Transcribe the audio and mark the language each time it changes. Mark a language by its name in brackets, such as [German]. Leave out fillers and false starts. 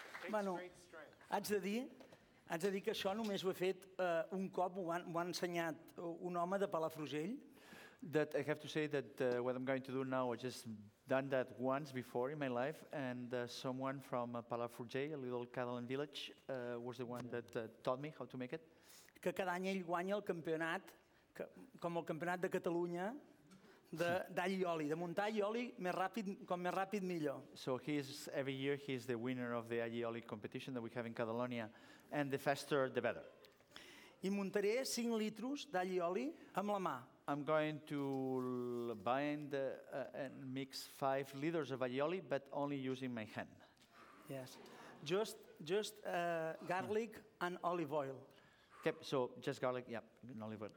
[Catalan] Manu, haig de dir, has de dir que això només ho he fet un cop, ho ha ensenyat un home de Palafrugell. [English] That I have to say that what I'm going to do now, I just done that once before in my life, and someone from Palafrugell, a little Catalan village, was the one that taught me how to make it. [Catalan] Que cada any ell guanya el campionat, que, com el campionat de Catalunya, d'all ioli, de muntar ioli més ràpid, com més ràpid millor. [English] So every year he is the winner of the all ioli competition that we have in Catalonia, and the faster the better. [Catalan] I muntaré 5 litres d'all ioli amb la mà. [English] I'm going to bind and mix 5 liters of all ioli, but only using my hand. Yes. Just garlic and olive oil. Okay, so just garlic, yeah, and olive oil.